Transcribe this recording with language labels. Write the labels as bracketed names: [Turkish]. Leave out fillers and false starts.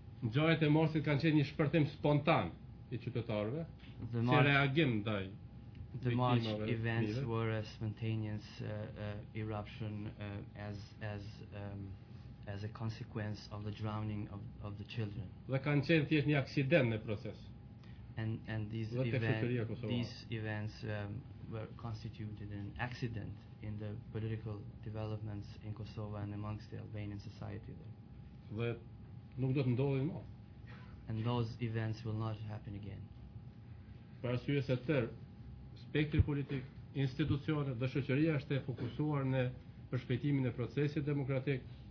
[Albanian] Gjërat e Morsit kanë qenë një shpërthim spontan I qytetarëve. [English] The March events were a spontaneous eruption as a consequence of the drowning of the children. [Albanian] Dhe kanë qenë thjesht një aksident në proces. [English] And these events were constituted an accident in the political developments in Kosovo and amongst the Albanian society there. [Albanian] Dhe nuk do të ndodhin më. [English] And those events will not happen again. [Albanian] Për arsye se tërë spektri politik, institucionet dhe shoqëria është e fokusuar në përshpejtimin e procesit demokratik.